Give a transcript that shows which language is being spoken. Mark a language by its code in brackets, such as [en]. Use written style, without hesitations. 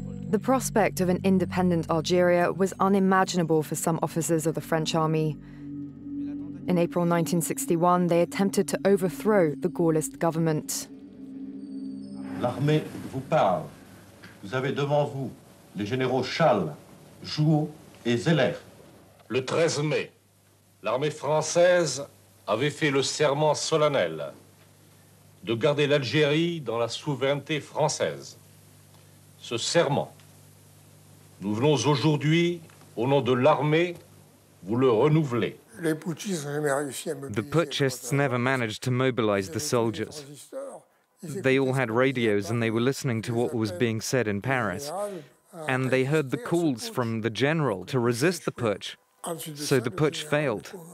[en] The prospect of an independent Algeria was unimaginable for some officers of the French army. In April 1961, they attempted to overthrow the Gaullist government. [fr] L'armée vous parle. Vous avez devant vous les généraux Challes, Jouot et Zeller. Le 13 mai, l'armée française avait fait le serment solennel de garder l'Algérie dans la souveraineté française. Ce serment, nous venons aujourd'hui, au nom de l'armée, vous le renouveler. [en] The putschists never managed to mobilize the soldiers. They all had radios and they were listening to what was being said in Paris. And they heard the calls from the general to resist the putsch, so the putsch failed.